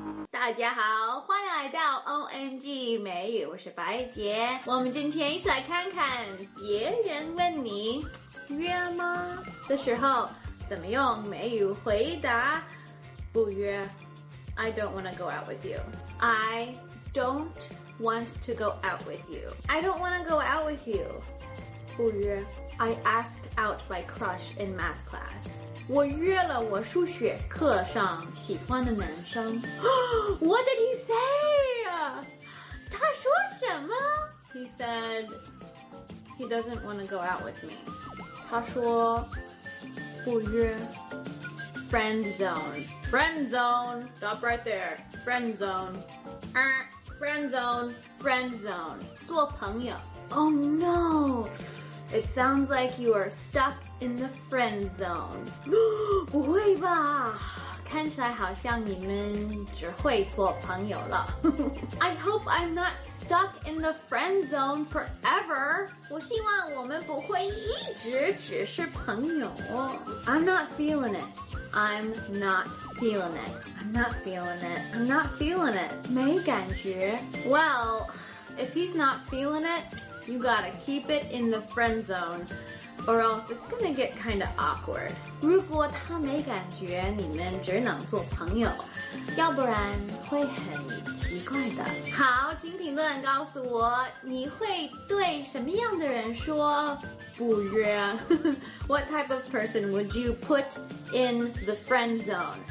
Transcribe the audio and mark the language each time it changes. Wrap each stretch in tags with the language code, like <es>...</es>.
<zh>大家好，欢迎来到 OMG 美语，我是白洁。我们今天一起来看看别人问你约吗的时候怎么用美语回答。不约。</zh> <en>I don't want to go out with you. I don't want to go out with you. I don't want to go out with you.</en> <zh>不约。</zh> <en>I asked out my crush in math class.</en> <zh>我约了我数学课上喜欢的男生。</zh> <en>What did he say?</en> <zh>他说什么？</zh> <en>He said he doesn't want to go out with me.</en> <zh>他说不约。</zh> <en>Friend zone. Friend zone. Stop right there. Friend zone. Friend zone. Friend zone.</en> <zh>做朋友。</zh> <en>Oh no! It sounds like you are stuck in the friend zone.</en> <zh>不会吧？看起来好像你们只会做朋友了。</zh> <en>I hope I'm not stuck in the friend zone forever.</en> <zh>我希望我们不会一直只是朋友。</zh> <en>I'm not feeling it. I'm not feeling it. I'm not feeling it. I'm not feeling it.</en> <zh>没感觉。</zh> <en>Well, if he's not feeling it,You gotta keep it in the friend zone, or else it's gonna get kind of awkward.</en> <zh>如果他没感觉，你们只能做朋友，要不然会很奇怪的。好，请评论告诉我，你会对什么样的人说不约？</zh> <en>What type of person would you put in the friend zone?</en>